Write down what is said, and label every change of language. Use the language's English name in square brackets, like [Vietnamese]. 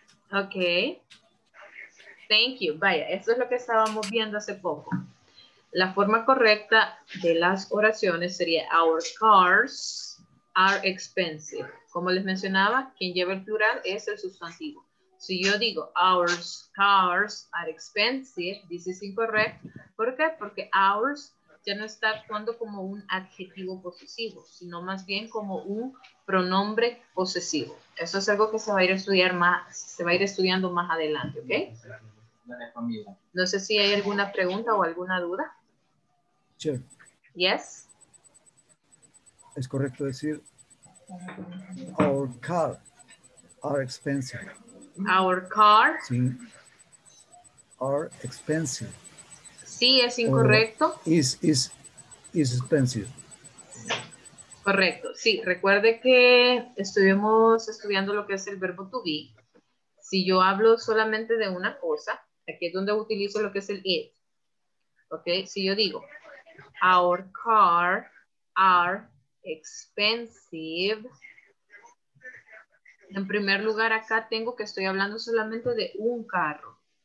[English] Okay. Thank you. [Spanish] Vaya, eso es lo que estábamos viendo hace poco. La forma correcta de las oraciones sería [English] our cars are expensive. [Spanish] Como les mencionaba, quien lleva el plural es el sustantivo. Si yo digo [English] our cars are expensive, this is incorrect. [Spanish] ¿Por qué? Porque ours ya no está actuando como un adjetivo posesivo, sino más bien como un pronombre posesivo. Eso es algo que se va a ir a estudiar más, se va a ir estudiando más adelante, ¿ok? No sé si hay alguna pregunta o alguna duda. [English] Sure. Yes. [Spanish] Es correcto decir [English] our car are expensive. Our car. Sí. Are expensive. [Spanish] Sí, es incorrecto. [English] Is expensive. [Spanish] Correcto. Sí, recuerde que estuvimos estudiando lo que es el verbo to be. Si yo hablo solamente de una cosa, aquí es donde utilizo lo que es el it. Ok, si yo digo, [English] our car are expensive. [Spanish] En primer lugar, acá tengo que estoy hablando solamente de un carro.